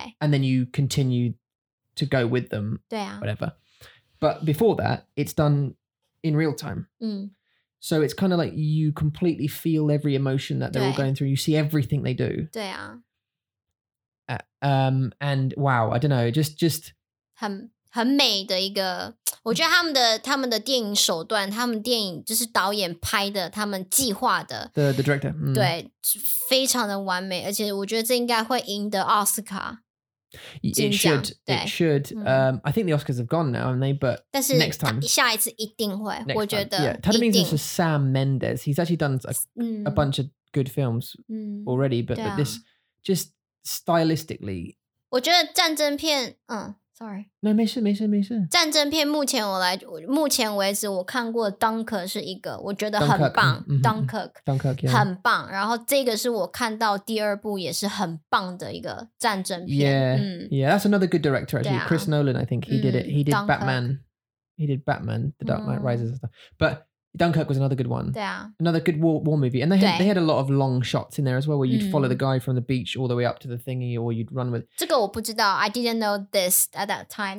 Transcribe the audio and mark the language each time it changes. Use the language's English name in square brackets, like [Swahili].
[English] And then you continue to go with them, whatever. But before that, it's done in real time. So it's kind of like you completely feel every emotion that they're all going through. You see everything they do. And wow, I don't know, just... [Chinese] 很美的一个，我觉得他们的电影手段，他们电影就是导演拍的，他们计划的 [English] The director. [Chinese] 对，非常的完美，而且我觉得这应该会赢得奥斯卡。 [English] It should. I think the Oscars have gone now, haven't they? But next time. [Chinese] 下一次一定会, 我觉得, yeah. 他的名字是 Sam Mendes. [English] He's actually done a bunch of good films already, but this just stylistically. [Chinese] 我觉得战争片, sorry. No, 没事。战争片目前为止我看过 Dunker 是一个我觉得很棒。 [English] Dunkirk, [Chinese] 很棒。然后这个是我看到第二部也是很棒的一个战争片。 [English] Yeah, that's another good director actually. Chris Nolan, I think, he did it. He did Dunkirk. Batman. He did Batman, The Dark Knight Rises and stuff. But Dunkirk was another good one. Yeah. Another good war movie. And they had a lot of long shots in there as well, where you'd follow the guy from the beach all the way up to the thingy, or you'd run with... [Chinese] 这个我不知道, [English] I didn't know this at that time.